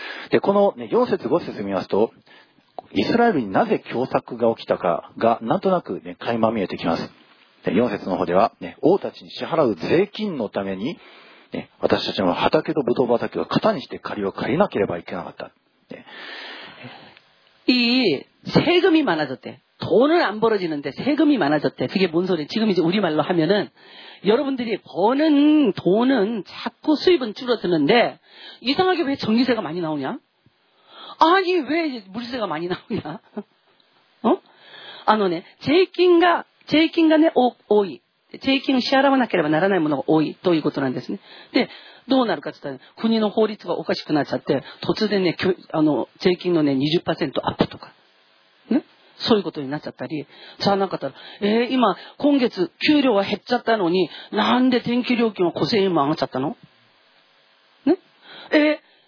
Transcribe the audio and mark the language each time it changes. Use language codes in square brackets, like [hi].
[ja] で、この、ね、4節5節見ますと、イスラエルになぜ凶作が起きたかがなんとなく、ね、垣間見えてきます。で、4節の方では、ね、王たちに支払う税金のために、ね、私たちの畑とブドウ畑を型にして借りを借りなければいけなかった、ね、 [ko] 이 세금이 많아졌대. 돈은 안 벌어지는데 세금이 많아졌대. 그게 뭔 소리야? 지금 이제 우리 말로 하면은 여러분들이 버는 돈은 자꾸 수입은 줄어드는데 이상하게 왜 전기세가 많이 나오냐? 아니 왜 물세가 많이 나오냐? [ja] 어? 아노네, 세금가네 多い. [ko] 세금을 [ja] 지払わなければならないものが多いということなんですね。で、どうなるかって言ったら、国の法律がおかしくなっちゃって、突然ね、税金のね、20% アップとか、ね、そういうことになっちゃったり、さあなんかったら、今、今月、給料は減っちゃったのに、なんで電気料金は5000円も上がっちゃったの？ね？